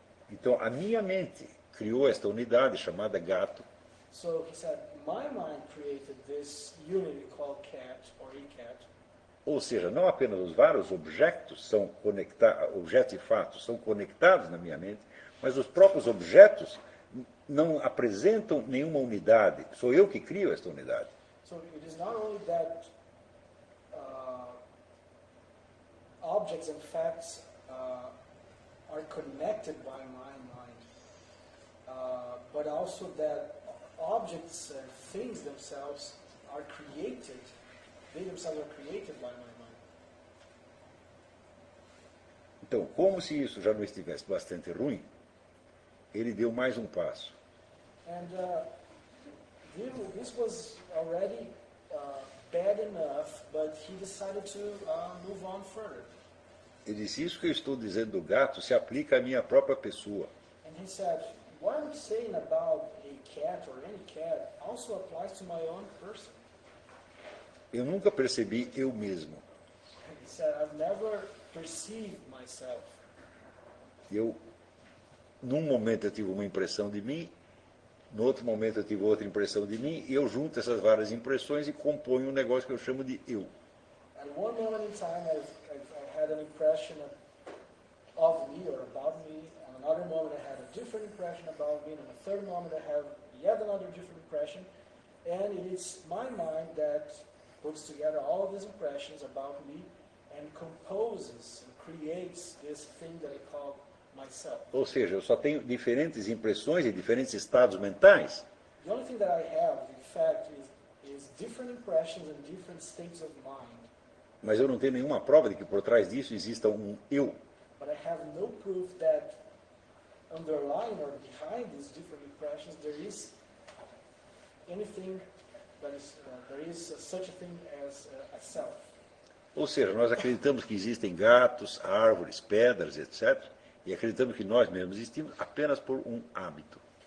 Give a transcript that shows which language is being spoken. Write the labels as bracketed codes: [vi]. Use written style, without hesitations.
[pt] Então, a minha mente criou esta unidade chamada gato. [en] So he said, my mind created this unity called cat or e-cat. [pt] Ou seja, não apenas os vários objetos são conectados, objetos e fatos são conectados na minha mente, mas os próprios objetos não apresentam nenhuma unidade. Sou eu que crio esta unidade. [en] So it is not only that objects and facts are connected by my mind, but also that objects and things themselves are created. They themselves are created by my mind. [pt] Então, como se isso já não estivesse bastante ruim, ele deu mais um passo. [en] And this was already bad enough, but he decided to move on further. [pt] Ele disse, isso que eu estou dizendo do gato se aplica à minha própria pessoa. [en] And he said, what I'm saying about a cat or any cat also applies to my own person. [pt] Eu nunca percebi eu mesmo. [en] He said, I've never perceived myself. [pt] Eu, num momento eu tive uma impressão de mim, no outro momento eu tive outra impressão de mim, e eu junto essas várias impressões e componho um negócio que eu chamo de eu. [en] At one moment in time I had an impression of me or about me, and another moment I had a different impression about me, and a third moment I have yet another different impression, and it's my mind that puts together all of these impressions about me and composes and creates this thing that I call myself. [pt] Ou seja, eu só tenho diferentes impressões e diferentes estados mentais. [en] The only thing that I have, in fact, is different impressions and different states of mind. [pt] Mas eu não tenho nenhuma prova de que por trás disso exista um eu. [en] But I have no proof that underlying or behind these different impressions there is anything that is there is such a thing as a self. [pt] Ou seja, nós acreditamos que existem gatos, árvores, pedras, etc. E acreditamos que nós mesmos existimos apenas por um hábito.